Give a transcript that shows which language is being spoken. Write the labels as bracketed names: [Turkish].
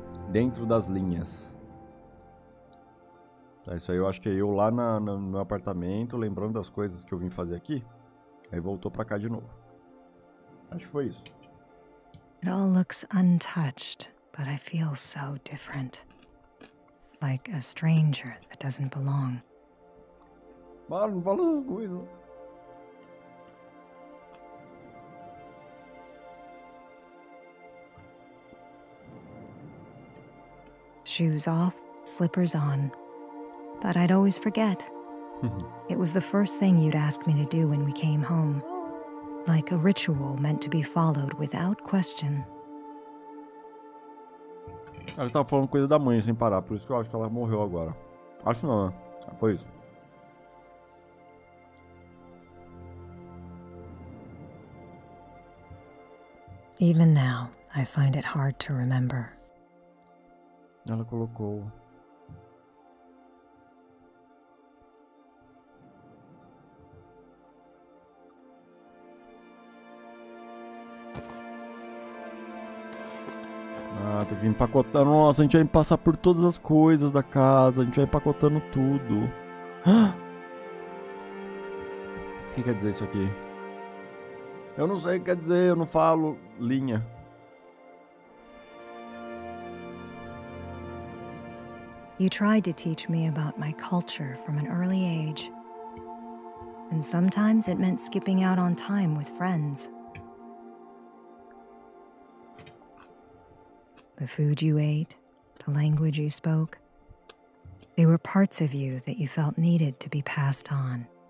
[Portuguese] Dentro das linhas. Tá, isso aí eu acho que é eu lá no apartamento, lembrando das coisas que eu vim fazer aqui. Aí voltou pra cá de novo. Acho que foi isso. [English] It all looks untouched, but I feel so different. Like a stranger that doesn't belong. [Portuguese] Mano, não fala essas coisas. [English] Shoes off, slippers on. But I'd always forget. It was the first thing you'd ask me to do when we came home. Like a ritual meant to be followed without question. [Portuguese] Ela tava falando coisa da mãe sem parar, por isso que eu acho que ela morreu agora. Acho não, né? Foi isso. [English] Even now, I find it hard to remember. [Portuguese] Ela colocou. Ah, tem que empacotar. Nossa, a gente vai passar por todas as coisas da casa. A gente vai empacotando tudo. O que quer dizer isso aqui? Eu não sei o que quer dizer, eu não falo linha. [English] You tried to teach me about my culture from an early age. And sometimes it meant skipping out on time with friends. The food you ate, the language you spoke. They were parts of you that you felt needed to be passed on.